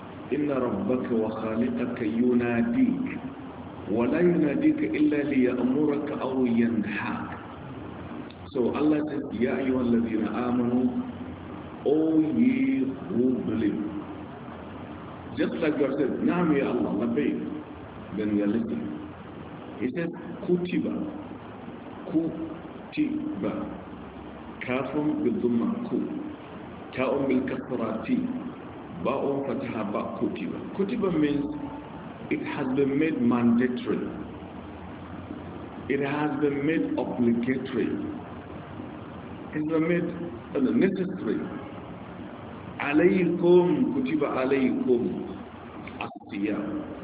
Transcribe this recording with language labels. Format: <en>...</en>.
<ar>Inna rabbaka wa khaliqaka yunadik. وَلَا يُنَادِيكَ إِلَّا لِيَأْمُرَكَ أَوْ يَنْحَاكَ.</ar> <en>So Allah says,</en> <ar>Ya أيها الذين آمنوا,</ar> <en>O ye who believe. Just like God said,</en> <ar>نعم يا الله, لبيك.</ar> <en>Then you are listening.</en> <ar>He says, كُتِبَ, كُتِبَ, كَافٌ بِالْضُمَّةِ, تَاءٌ بِالْكَسْرَةِ, بَاءٌ فَتْحَةَ بَاء, كُتِبَ.</ar> <en>كُتِبَ means, it has been made mandatory. It has been made obligatory. It's been made necessary.</en> <ar>Alaykum, kutiba alaykum, as-siyam.</ar>